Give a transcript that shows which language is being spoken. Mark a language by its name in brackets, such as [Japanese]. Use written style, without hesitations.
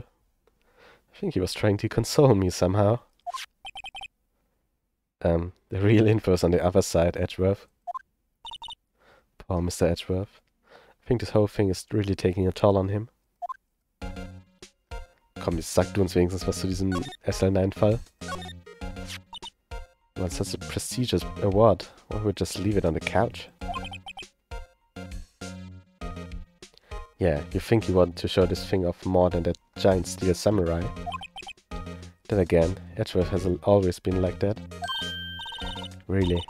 [English] I think he was trying to console me somehow. The real info is on the other side, Edgeworth. Poor Mr. Edgeworth. I think this whole thing is really taking a toll on him. [German] Komm, jetzt sag du uns wenigstens was zu diesem SL9-Fall. [English] Well, such a prestigious award. Why would we just leave it on the couch? Yeah, you think he wanted to show this thing off more than that giant steel samurai? Then again, Edgeworth has always been like that. Really?